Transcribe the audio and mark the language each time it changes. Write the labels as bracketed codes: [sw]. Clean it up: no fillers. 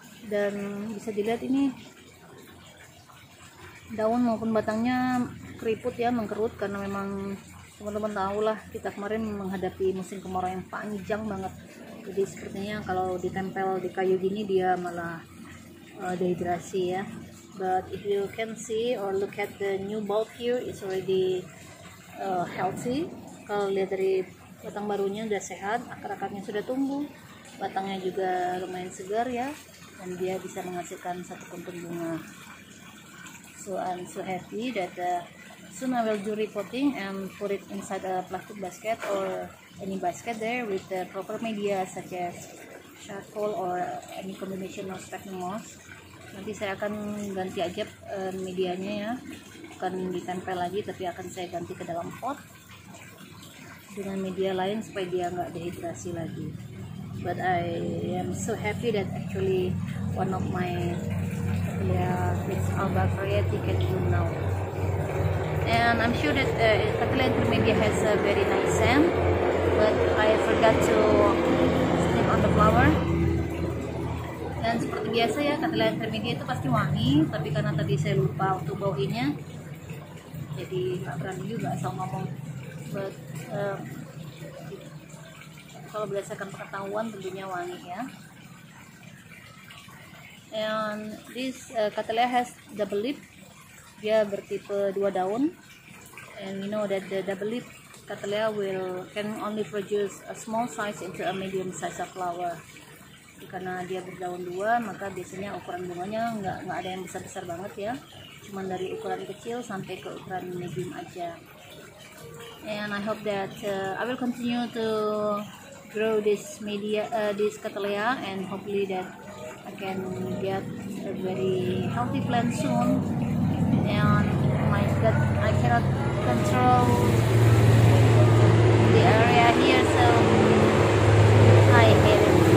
[id] Dan bisa dilihat ini daun maupun batangnya keriput ya, mengkerut, karena memang teman-teman tahu lah kita kemarin menghadapi musim kemarau yang panjang banget. Jadi sepertinya kalau ditempel di kayu gini dia malah dehidrasi ya. [en] But if you can see or look at the new bulb here, it's already healthy. [id] Kalau lihat dari batang barunya udah sehat, akar-akarnya sudah tumbuh, batangnya juga lumayan segar ya, dan dia bisa menghasilkan satu kumpul bunga. [en] So I'm so happy that soon I will do repotting and put it inside a plastic basket or any basket there with the proper media such as charcoal or any combination of sphagnum moss. [id] Nanti saya akan ganti aja medianya ya, bukan ditempel lagi tapi akan saya ganti ke dalam pot dengan media lain supaya dia nggak dehidrasi lagi. [en] But I am so happy that actually one of my it's Alba variety can bloom now. And I'm sure that Cattleya intermedia has a very nice scent, but I forgot to sniff on the flower. [id] Dan seperti biasa ya, Cattleya intermedia itu pasti wangi, tapi karena tadi saya lupa untuk bauinnya, jadi gak berani juga asal ngomong. But kalau berdasarkan pengetahuan tentunya wangi ya. [en] And this Cattleya has double leaf. [id] Dia bertipe dua daun. [en] And you know that the double leaf Cattleya can only produce a small size into a medium size of flower. [id] Karena dia berdaun dua, maka biasanya ukuran bunganya nggak ada yang besar-besar banget ya. Cuman dari ukuran kecil sampai ke ukuran medium aja. [en] And I hope that I will continue to grow this media, this Cattleya, and hopefully that I can get a very healthy plant soon. And my gut, I cannot control the area here, so I hate it.